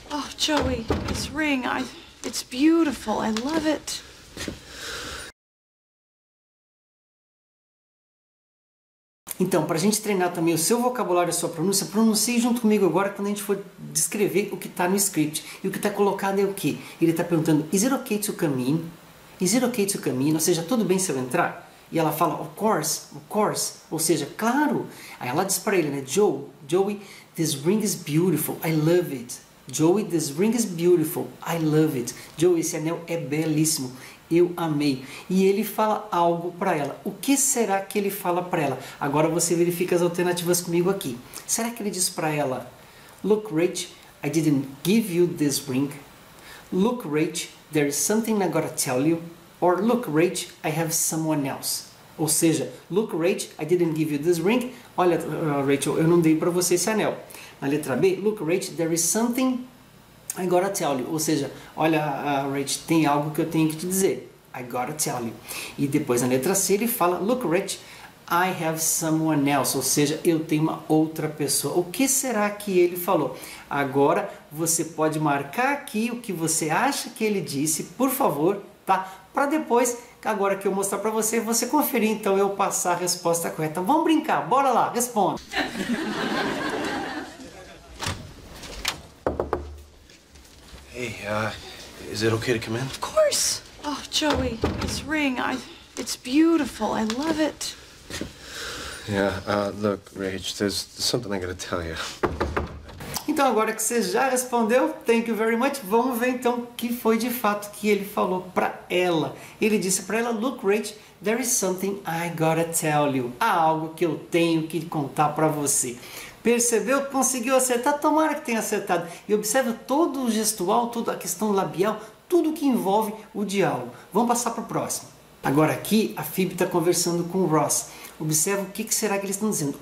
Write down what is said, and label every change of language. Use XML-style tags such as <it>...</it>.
<en>Oh, Joey, this ring, it's beautiful, I love it!</en> <pt>Então, para a gente treinar também o seu vocabulário e a sua pronúncia, pronuncie junto comigo agora quando a gente for descrever o que está no script. E o que está colocado é o quê? Ele está perguntando,</pt> <en>is it okay to come in? Is it okay to come in?</en> <pt>Ou seja, tudo bem se eu entrar? E ela fala,</pt> <en>of course,</en> <pt>ou seja, claro. Aí ela diz para ele, né,</pt> <en>Joey, this ring is beautiful, I love it. Joey, this ring is beautiful, I love it.</en> <pt>Joey, esse anel é belíssimo. Eu amei. E ele fala algo para ela. O que será que ele fala para ela? Agora você verifica as alternativas comigo aqui. Será que ele diz para ela,</pt> <en>look, Rach, I didn't give you this ring. Look, Rach, there is something I gotta tell you. Or, look, Rach, I have someone else.</en> <pt>Ou seja,</pt> <en>look, Rach, I didn't give you this ring.</en> <pt>Olha, Rachel, eu não dei para você esse anel. Na letra B,</pt> <en>look, Rach, there is something I gotta tell you,</en> <pt>ou seja, olha, Rach, tem algo que eu tenho que te dizer.</pt> <en>I gotta tell you.</en> <pt>E depois na letra C ele fala,</pt> <en>look, Rach, I have someone else,</en> <pt>ou seja, eu tenho uma outra pessoa. O que será que ele falou? Agora você pode marcar aqui o que você acha que ele disse, por favor, tá? Para depois, agora que eu mostrar para você, você conferir, então eu passar a resposta correta. Vamos brincar, bora lá, responda.</pt> <en>Hey, is it okay to come in? Of course. Oh, Joey, this ring, it's beautiful. I love it. Yeah, look, Rach, there's something I gotta tell you.</en> <pt>Então, agora que você já respondeu,</pt> <en>thank you very much,</en> <pt>vamos ver então o que foi de fato que ele falou pra ela. Ele disse pra ela,</pt> <en>look, Rach, there is something I gotta tell you.</en> <pt>Há algo que eu tenho que contar pra você. Percebeu? Conseguiu acertar? Tomara que tenha acertado. E observa todo o gestual, toda a questão labial, tudo que envolve o diálogo. Vamos passar para o próximo. Agora aqui, a Phoebe está conversando com o Ross. Observa o que, que será que eles estão dizendo.</pt>